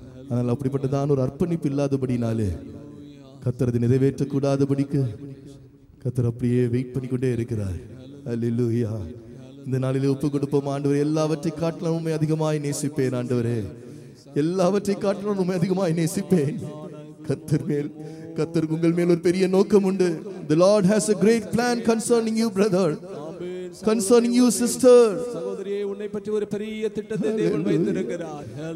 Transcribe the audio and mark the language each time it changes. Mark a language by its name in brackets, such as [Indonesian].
[Tamil] ஆனால் அப்படிப்பட்டதான ஒரு அர்ப்பணிப்பு இல்லாதபடினாலே கர்த்தரது நிறைவேற்றக்கூடாதபடிக்கு கர்த்தர் அப்படியே வெயிட் பண்ணிக்கொண்டே இருக்கிறார். ஹல்லேலூயா. இந்த நாளிலே ஒப்பு கொடுப்போம் ஆண்டவரே, எல்லாவற்றை காட்டிலும் உண்மை அதிகமாய் நேசிப்பேன். ஆண்டவரே, எல்லாவற்றை காட்டிலும் உண்மை அதிகமாய் நேசிப்பேன். கர்த்தர் மேல், கர்த்தர் உங்கள் மேல் ஒரு பெரிய நோக்கம் உண்டு. [English] The Lord has a great plan concerning you, brother. Concerning you, sister. [Tamil] சகோதரியே, உன்னை பற்றி ஒரு பெரிய திட்டத்தை தேவன் வைத்திருக்கிறார்.